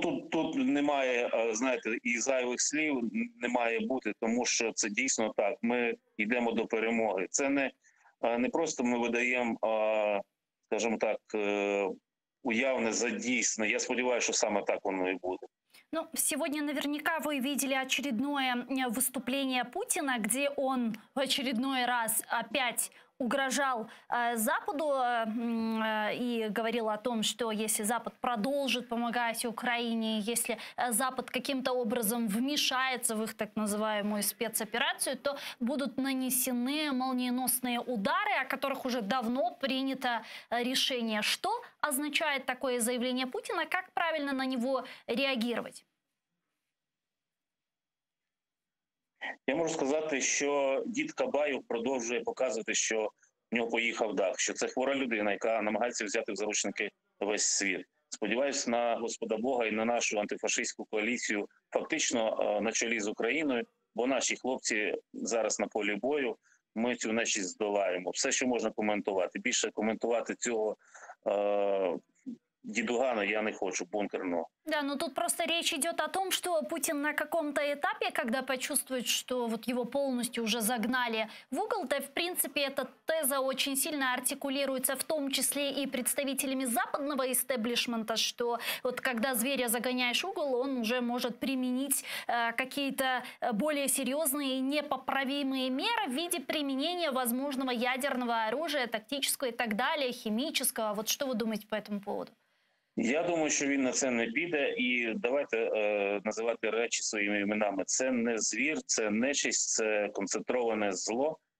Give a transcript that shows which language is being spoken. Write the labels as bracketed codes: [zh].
[uk] Тут немає, знаєте, і зайвих слів немає бути, тому що це дійсно так. Ми йдемо до перемоги. Це не просто ми видаємо, скажімо так, уявне за дійсне. Я сподіваюся, що саме так воно і буде. [ru] Ну, сегодня наверняка вы видели очередное выступление Путина, где он в очередной раз опять угрожал Западу и говорил о том, что если Запад продолжит помогать Украине, если Запад каким-то образом вмешается в их так называемую спецоперацию, то будут нанесены молниеносные удары, о которых уже давно принято решение. Что означает такое заявление Путина? Как правильно на него реагировать? [uk] Я можу сказати, що дід Кабаєв продовжує показувати, що в нього поїхав дах, що це хвора людина, яка намагається взяти в заручники весь світ. Сподіваюся на Господа Бога і на нашу антифашистську коаліцію, фактично на чолі з Україною, бо наші хлопці зараз на полі бою, ми цю нечість здолаємо. Все, що можна коментувати. Більше коментувати цього дідугана я не хочу, бункерно. [ru] Да, но тут просто речь идет о том, что Путин на каком-то этапе, когда почувствует, что вот его полностью уже загнали в угол, то в принципе эта теза очень сильно артикулируется в том числе и представителями западного истеблишмента, что вот когда зверя загоняешь в угол, он уже может применить какие-то более серьезные и непоправимые меры в виде применения возможного ядерного оружия, тактического и так далее, химического. Вот что вы думаете по этому поводу? [uk] Я думаю, що він на це не піде, і давайте називати речі своїми іменами. Це не звір, це нечисть, це концентроване зло.